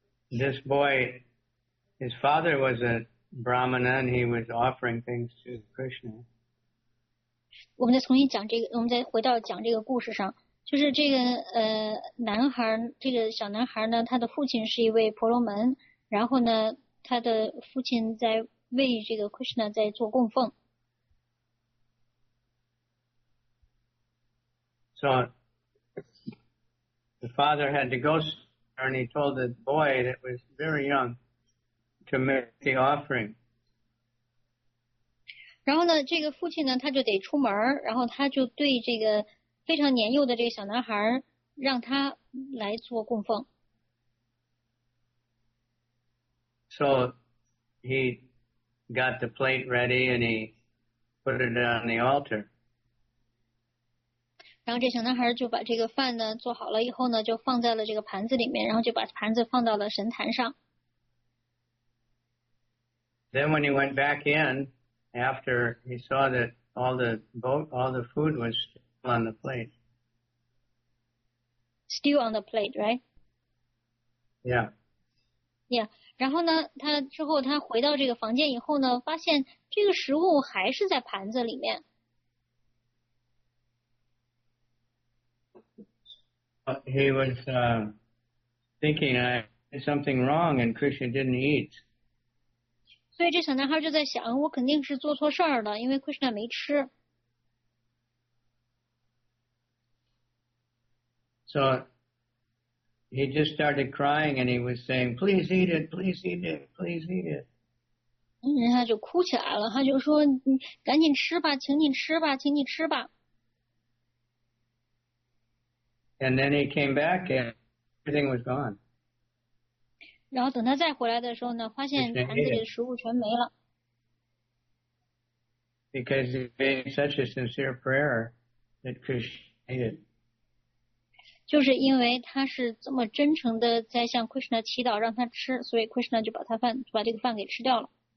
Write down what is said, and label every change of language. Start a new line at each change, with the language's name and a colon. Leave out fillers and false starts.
English: This boy, his father was a Brahmana and he was offering things to Krishna.
Chinese: 我们再重新讲这个，我们再回到讲这个故事上，就是这个男孩，这个小男孩呢，他的父亲是一位婆罗门，然后呢，他的父亲在为这个 Krishna 在做供奉。
English: So the father had to go. And he told the boy that was very young to make the offering.
Chinese: 然后呢，这个父亲呢，他就得出门，然后他就对这个非常年幼的这个小男孩，让他来做供奉。
English: So he got the plate ready and he put it on the altar.
Chinese: 然后这小男孩就把这个饭呢做好了以后呢，就放在了这个盘子里面，然后就把盘子放到了神坛上。
English: Then when he went back in, after he saw that all the food was still on the plate. Still on the plate, right? Yeah. Yeah.
Chinese: 然后呢，他之后他回到这个房间以后呢，发现这个食物还是在盘子里面。
English: He was thinking I did something wrong and Krishna didn't eat.
Chinese: 所以这小男孩就在想，我肯定是做错事儿了，因为 Krishna 没吃。
English: So he just started crying and he was saying, please eat it, please eat it, please eat it.
Chinese: 然后他就哭起来了，他就说，赶紧吃吧，请你吃吧，请你吃吧。
English: And then he came back and everything was gone.
Chinese: 然后等他再回来的时候呢，发现盘子里的食物全没了。
English: Because he made such a sincere prayer that Krishna ate it.
Chinese: 就是因为他是这么真诚的在向 Krishna 祈祷让他吃，所以 Krishna 就把他饭，把这个饭给吃掉了。